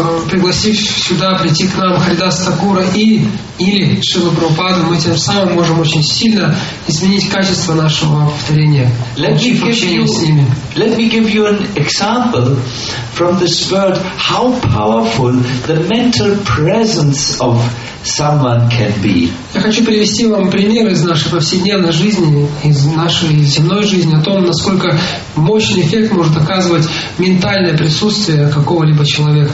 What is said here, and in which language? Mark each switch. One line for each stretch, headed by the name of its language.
Russian: Пригласив сюда прийти к нам Харидаса Такура или Шрилу Прабхупаду, мы тем самым можем очень сильно изменить качество нашего повторения.
English: Let me give you an example from the spirit how powerful the mental presence of someone can be.
Russian: Я хочу привести вам пример из нашей повседневной жизни, из нашей земной жизни, о том, насколько мощный эффект может оказывать ментальное присутствие какого-либо человека.